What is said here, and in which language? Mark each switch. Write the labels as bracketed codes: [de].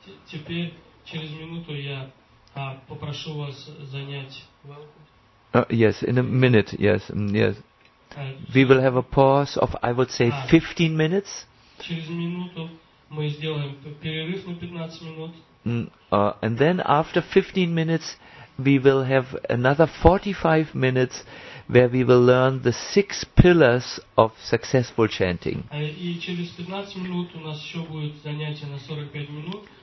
[ru] Теперь через минуту я попрошу вас занять [en] Yes, in a minute, yes, yes. We will have a pause of, I would say, 15 minutes. [ru] Через минуту мы сделаем перерыв на 15 минут. [en] And then after 15 minutes, we will have another 45 minutes where we will learn the six pillars of successful chanting. [ru] И через 15 минут у нас еще будет занятие на 45 минут.